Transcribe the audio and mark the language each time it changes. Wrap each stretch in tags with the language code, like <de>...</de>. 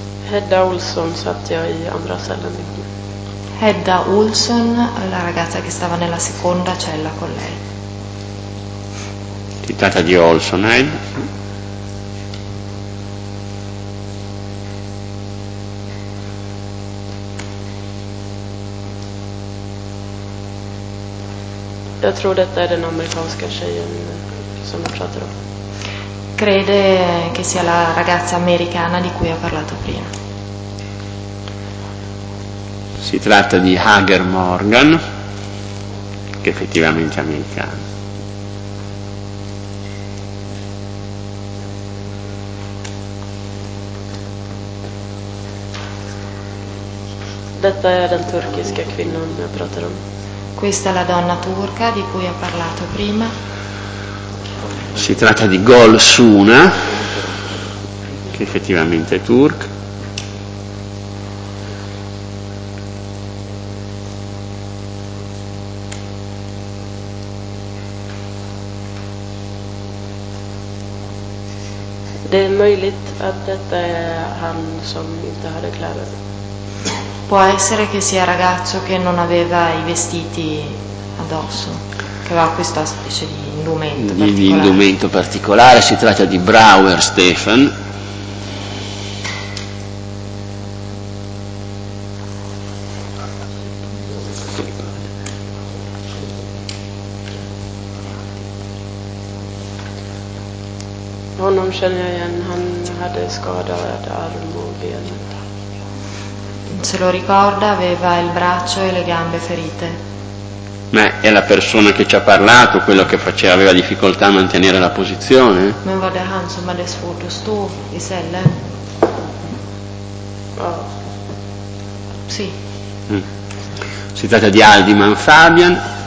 <sv>Hedda Olsson satt jag i andra cellen.</sv> <it>Hedda Olsson, la ragazza che stava nella seconda cella con lei. Si tratta di Olsson, eh?</it> <sv>Jag tror detta är den amerikanska tjejen som jag pratade om.</sv> <it>Crede che sia la ragazza americana di cui ho parlato prima. Si tratta di Hager Morgan, che effettivamente è americano.</it> <sv>Detta är den turkiska kvinnan jag pratade om.</sv> <it>Questa è la donna turca di cui ho parlato prima. Si tratta di Gol Suna, che effettivamente è turca.</it> <sv>Det är möjligt att detta är han som inte hade kläder.</sv> <it>Può essere che sia ragazzo che non aveva i vestiti addosso, che aveva questa specie di indumento particolare. Di indumento particolare, si tratta di Brouwer Stefan.</it> <sv>Honom känner jag igen. Han hade skadad arm och benet.</sv> <it>Se lo ricorda, aveva il braccio e le gambe ferite. Ma è la persona che ci ha parlato, quello che faceva, aveva difficoltà a mantenere la posizione?</it> <sv>Ma var det han som hade svårt att stå i cellen?</sv> <it>Sì. Si tratta di Aldiman Fabian.</it>